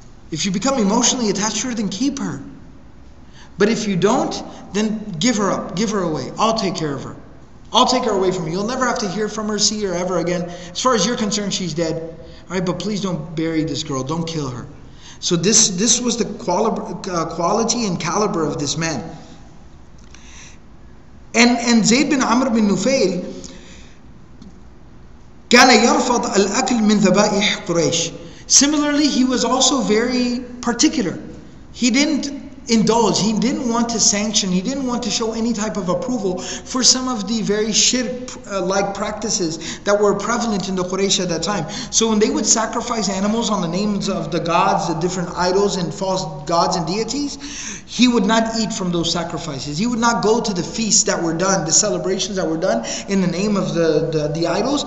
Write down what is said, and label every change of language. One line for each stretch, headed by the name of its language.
English: If you become emotionally attached to her, then keep her. But if you don't, then give her up, give her away. I'll take care of her. I'll take her away from you. You'll never have to hear from her, see her ever again. As far as you're concerned, she's dead. All right, but please don't bury this girl. Don't kill her. So this was the quality and caliber of this man. And Zayd bin Amr bin Nufail
Arabic: كان يرفض الأكل من ذبائح قريش.
English: Similarly, he was also very particular. He didn't indulge, he didn't want to sanction, he didn't want to show any type of approval for some of the very shirk-like practices that were prevalent in the Quraysh at that time. So when they would sacrifice animals on the names of the gods, the different idols and false gods and deities, he would not eat from those sacrifices. He would not go to the feasts that were done, the celebrations that were done in the name of the idols.